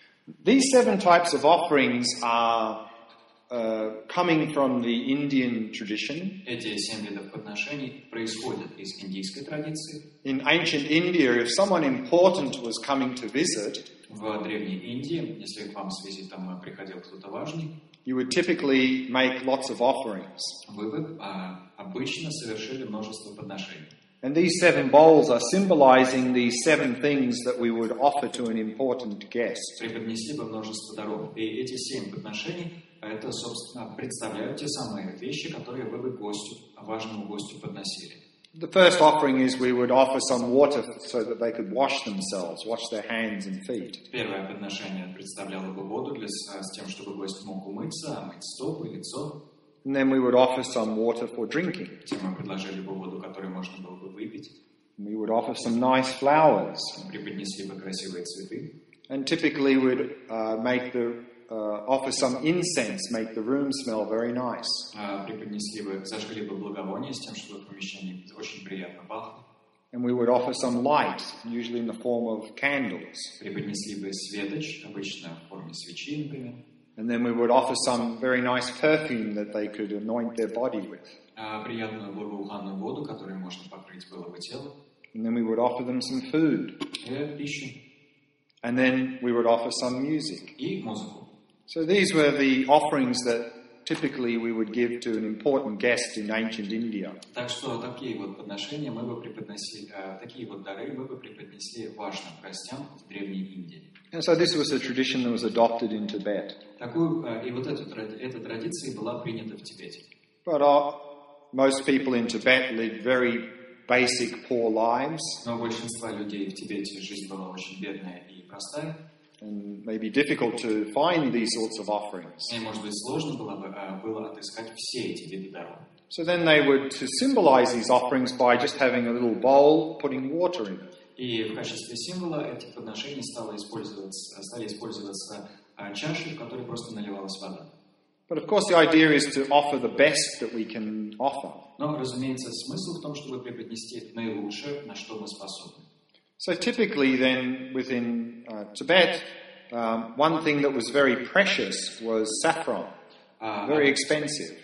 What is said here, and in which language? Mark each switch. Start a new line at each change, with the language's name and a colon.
English: These seven types of offerings are coming from the Indian tradition.
Russian: Эти семь видов подношений происходят из индийской традиции.
English: In ancient India, if someone important was coming to visit,
Russian: в древней Индии, если к вам с визитом приходил кто-то важный,
English: you would typically make lots of offerings.
Russian: Вы бы обычно совершили множество подношений.
English: And these seven bowls are symbolizing these seven things that we would offer to an important guest.
Russian: Преподнесли бы множество даров. И эти семь подношений, это, собственно, представляют те самые вещи, которые вы бы гостю, важному гостю подносили.
English: The first offering is we would offer some water so that they could wash themselves, wash their hands and feet.
Russian: Первое подношение представляло бы воду для, с тем, чтобы гость мог умыться, мыть стопы, лицо.
English: And then we would offer some water for drinking.
Russian: Мы предложили бы воду, которую можно было бы выпить.
English: We would offer some nice flowers.
Russian: Преподнесли бы красивые цветы.
English: And typically we'd offer some incense, make the room smell very nice.
Russian: Преподнесли бы, зажгли бы благовоние с тем, чтобы помещение очень приятно пахло.
English: And we would offer some light, usually in the form of candles.
Russian: Преподнесли бы светоч, обычно в форме свечи, например.
English: And then we would offer some very nice perfume that they could anoint their body with.
Russian: Приятную благоуханную воду, которой можно покрыть было бы тело.
English: And then we would offer them some food.
Russian: Пищу.
English: And then we would offer some music.
Russian: И музыку.
English: So these were the offerings that typically we would give to an important guest in ancient India.
Russian: Так что такие вот подношения мы бы преподносили, такие вот дары мы бы преподнесли важным гостям в древней Индии.
English: And so this was a tradition that was adopted in Tibet.
Russian: Эта традиция была принята в Тибете.
English: But most people in Tibet lived very basic, poor lives.
Russian: Но большинство людей в Тибете жизнь была очень бедная и простая.
English: And maybe difficult to find these sorts of offerings.
Russian: И, может быть, сложно было бы было отыскать все эти виды даров.
English: So then they would to symbolize these offerings by just having a little bowl, putting water in it.
Russian: И в качестве символа эти подношения стали использоваться чаши, в которые просто наливалась вода.
English: But of course the idea is to offer the best that we can offer.
Russian: Но, разумеется, смысл в том, чтобы преподнести наилучшее, на что мы способны.
English: So typically then within Tibet, one thing that was very precious was saffron, very expensive.